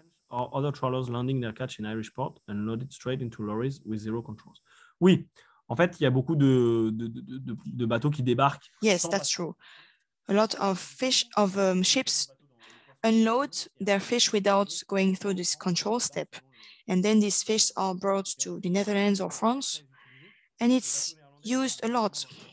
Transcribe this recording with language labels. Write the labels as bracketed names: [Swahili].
[English] Are other trawlers landing their catch in Irish port and loaded straight into lorries with zero controls? [French] Oui, en fait, il y a beaucoup de bateaux qui débarquent. [English] Yes, that's true. A lot of fish of ships unload their fish without going through this control step, and then these fish are brought to the Netherlands or France, and it's used a lot.